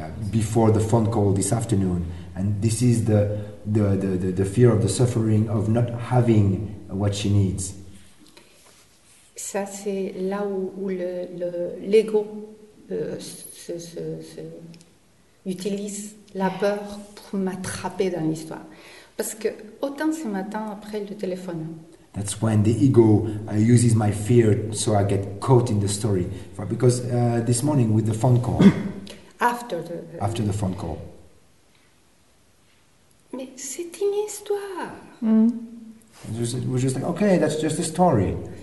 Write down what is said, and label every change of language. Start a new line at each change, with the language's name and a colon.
English: Before the phone call this afternoon, and this is the fear of the suffering of not having what she needs.
French: Ça c'est là où le l'ego se utilise la peur pour m'attraper dans l'histoire, parce que autant ce matin après le téléphone.
English: That's when the ego uses my fear so I get caught in the story, because this morning with the phone call. After the phone call.
French: Mais c'est une histoire.
English: We're just like, okay, that's just a story.